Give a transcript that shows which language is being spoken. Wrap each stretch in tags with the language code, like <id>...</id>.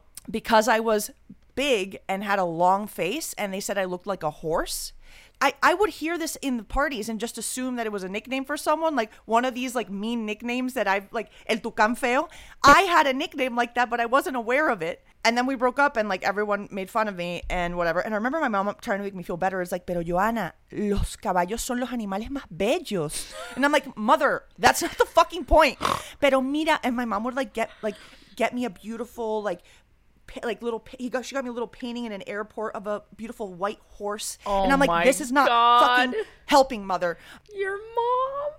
<en>Because I was big and had a long face, and they said I looked like a horse. I would hear this in the parties and just assume that it was a nickname for someone, like one of these like mean nicknames that I've like El Tucán Feo. I had a nickname like that, but I wasn't aware of it. And then we broke up and like everyone made fun of me and whatever. And I remember my mom trying to make me feel better.</en> <es>It's like, pero Joana, los caballos son los animales más bellos.</es> <en>And I'm like, mother, that's not the fucking point.</en> <es>Pero mira,</es> <en>and my mom would like get me a beautiful she got me a little painting in an airport of a beautiful white horse. Oh, and I'm like, this is not fucking helping, mother. Your mom.</en>